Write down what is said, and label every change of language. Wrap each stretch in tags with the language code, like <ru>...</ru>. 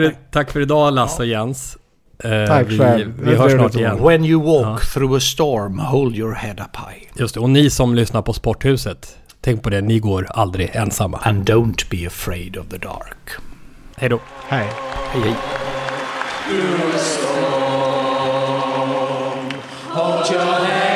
<sv>Tack för idag, Lasse och Jens. Tack själv. Vi hörs snart igen.</sv> <en>When you walk through a storm, hold your head up high.</en> <sv>Just det. Och ni som lyssnar på Sporthuset, tänk på det, ni går aldrig ensamma.</sv> <en>And don't be afraid of the dark.</en> <sv>Hej då. Hej. Hej, hej.</sv> <en>Through a storm, hold your head.</en>